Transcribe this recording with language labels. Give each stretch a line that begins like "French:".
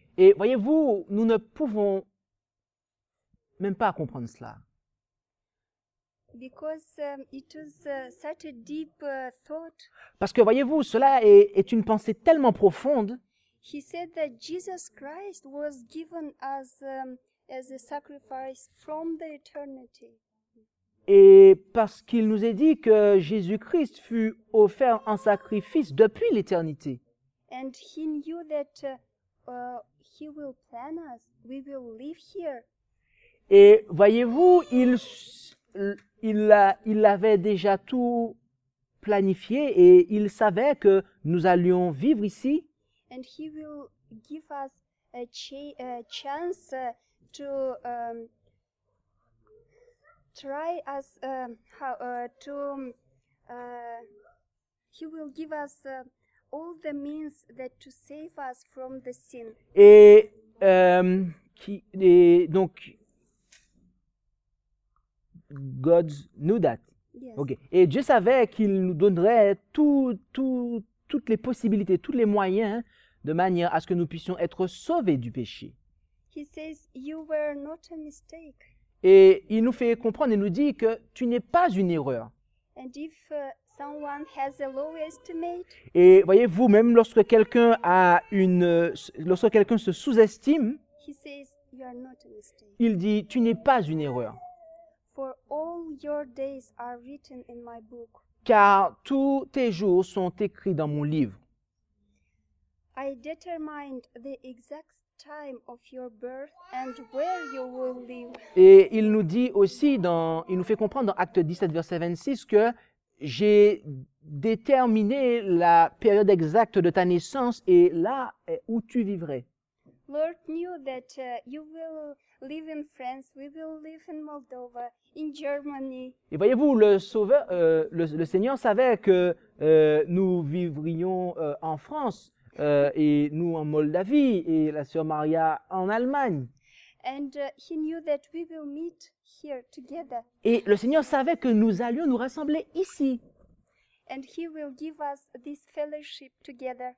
French: Et voyez-vous, nous ne pouvons même pas comprendre cela.
English: Because it is such a deep thought.
French: Parce que voyez-vous, cela est une pensée tellement profonde.
English: He said that Jesus Christ was given as as a sacrifice from the eternity.
French: Et parce qu'il nous est dit que Jésus-Christ fut offert en sacrifice depuis l'éternité.
English: And he knew that he will plan us. We will live here.
French: Et voyez-vous, il avait déjà tout planifié et il savait que nous allions vivre ici.
English: And he will give us a chance to try us how to he will give us all the means that to save us from the sin.
French: Et donc
English: God knew that. Yes. Okay.
French: Et Dieu savait qu'il nous donnerait toutes les possibilités, tous les moyens de manière à ce que nous puissions être sauvés du péché.
English: He says, you were not a mistake.
French: Et il nous fait comprendre et nous dit que tu n'es pas une erreur.
English: And if someone has a low estimate,
French: et voyez-vous, même lorsque quelqu'un a une, lorsque quelqu'un se sous-estime,
English: he says, you are not a mistake.
French: Il dit, tu n'es pas une erreur.
English: For all your days are written in my book.
French: Car tous tes jours sont écrits dans mon livre.
English: I determined the exact time of your birth and where you will live.
French: Et il nous dit aussi dans, il nous fait comprendre dans Acte 17, verset 26 que j'ai déterminé la période exacte de ta naissance et là où tu vivrais.
English: Lord knew that you will live in France, we will live in Moldova, in Germany.
French: Et voyez-vous, le Sauveur, le Seigneur savait que nous vivrions en France et nous en Moldavie et la Sœur Maria en Allemagne.
English: And he knew that we will meet here together.
French: Et le Seigneur savait que nous allions nous rassembler ici.
English: And he will give us this fellowship together.